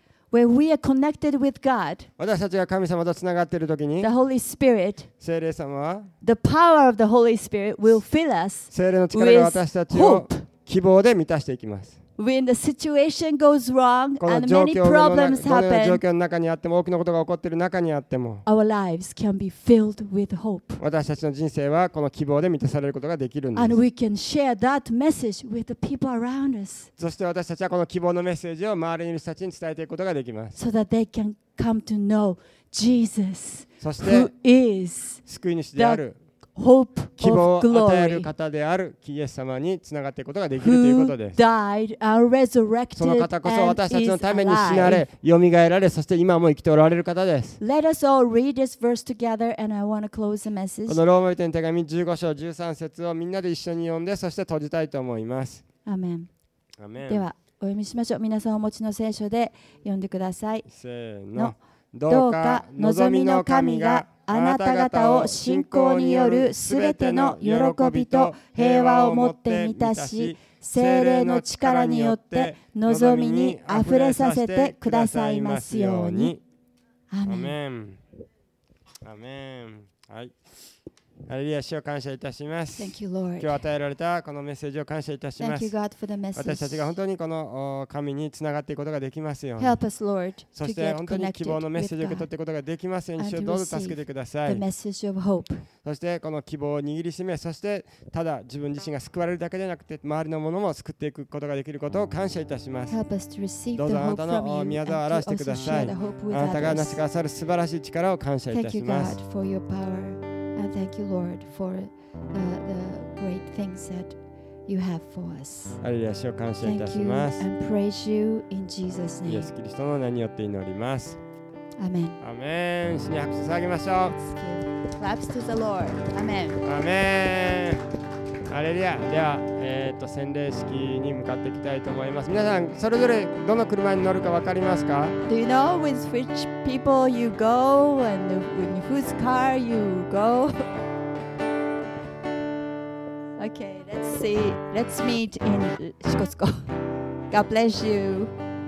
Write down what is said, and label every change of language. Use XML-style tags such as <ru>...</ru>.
<en>When we are connected with God,</en> <ja>私たちが神様とつながっているときに</ja> <en>the Holy Spirit,</en> <ja>聖霊様は</ja> <en>the power of the Holy Spirit will fill us</en> <ja>聖霊の力が私たちを希望で満たしていきます。</ja> <en>When the situation goes wrong and many problems happen,</en> <ja>この状況の中にあっても、多くのことが起こっている中にあっても、</ja> <en>our lives can be filled with hope.</en> <ja>私たちの人生はこの希望で満たされることができるんです。</ja> <en>And we can share that message with the people around us.</en> <ja>そして私たちはこの希望のメッセージを周りにいる人たちに伝えていくことができます。</ja> <en>So that they can come to know Jesus,</en> <ja>そして</ja> <en>who is</en> <ja>救い主である。</ja> <en>Hope</en> <ja>希望を与える方であるイエス様につながっていくことができるということです。その方こそ私たちのために死なれ、蘇られ、そして今も生きておられる方です。</ja> <en>Let us all read this verse together and I want to close the message.</en> <ja>このローマ人への手紙15章13節をみんなで一緒に読んで、そして閉じたいと思います。アメン。アメン。では、お読みしましょう。皆さんお持ちの聖書で読んでください。せーの。どうか望みの神があなた方を信仰によるすべての喜びと平和をもって満たし、聖霊の力によって望みにあふれさせてくださいますように。アーメン。アーメン。はい。ハレルヤ、主を感謝いたします。</ja> <en>Thank you, Lord.</en> <ja>今日与えられたこのメッセージを感謝いたします。</ja> <en>Thank you, God, for the message.</en> <ja>私たちが本当にこの神につながっていくことができますように。</ja> <en>Help us, Lord, to get connected with God.</en> <ja>そして本当に希望のメッセージを受け取っていくことができますように。主をどうぞ助けてください。</ja> <en>And receive the message of hope.</en> <ja>そしてこの希望を握りしめ、そしてただ自分自身が救われるだけでなくて周りのものも救っていくことができることを感謝いたします。</ja> <en>Help us to receive the hope from you.</en> <ja>どうぞあなたの御業を表してください。あなたがなしくださる素晴らしい力を感謝いたします。</ja> <en>Thank you, God, for your power. And thank you, Lord, for the great things that you have for us.</en> <ja>アレルヤ主を感謝いたします。</ja> <en>Thank you and praise you in Jesus' name.</en> <ja>イエスキリストの名によって祈ります。アメン。アメン。主に拍手を捧げましょう。</ja> <en>Let's give claps to the Lord.</en> <ja>アメン。アメン。アレルヤ。では、洗礼式に向かっていきたいと思います。皆さん、それぞれどの車に乗るか分かりますか？</ja> <en>Do you know with which people you go and with whose car you go? Okay, let's see. Let's meet in 支笏湖. God bless you.</en>